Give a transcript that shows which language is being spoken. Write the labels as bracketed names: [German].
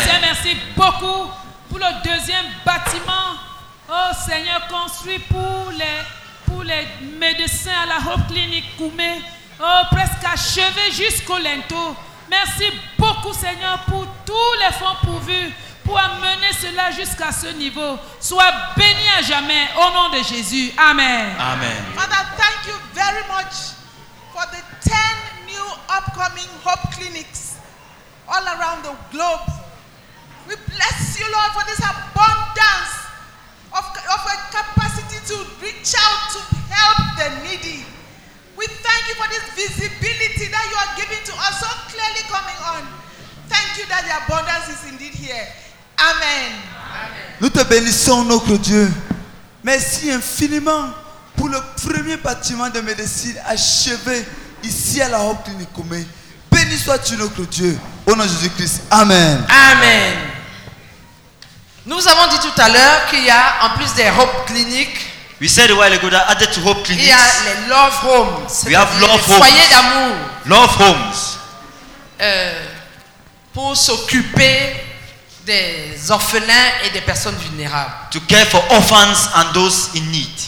[French] Seigneur, merci beaucoup pour le deuxième bâtiment, oh Seigneur, construit pour les médecins à la Hope Clinic Koumé, oh, presque achevé jusqu'au linteau. Merci beaucoup, Seigneur, pour tous les fonds pourvus pour amener cela jusqu'à ce niveau. Sois béni à jamais, au nom de Jésus. Amen. Amen. [English] Father, thank you very much for the 10 new upcoming Hope Clinics all around the globe. We bless you, Lord, for this abundance of a capacity to reach out to help the needy. We thank you for this visibility that you are giving to us so clearly coming on. Thank you that the abundance is indeed here. Amen. [French] Nous te bénissons, notre Dieu. Merci infiniment pour le premier bâtiment de médecine achevé ici à la Hope Clinic Koumé. Béni sois-tu, notre Dieu. Au nom de Jésus-Christ. Amen. Amen. Nous avons dit tout à l'heure qu'il y a, en plus des Hope Clinics, [English] we said a while ago that added to Hope Clinics, [French] il y a les Love Homes. [English] We have Love Homes. [French] Foyers d'amour. [English] Love Homes. [French] Pour s'occuper des orphelins et des personnes vulnérables. [English] To care for orphans and those in need.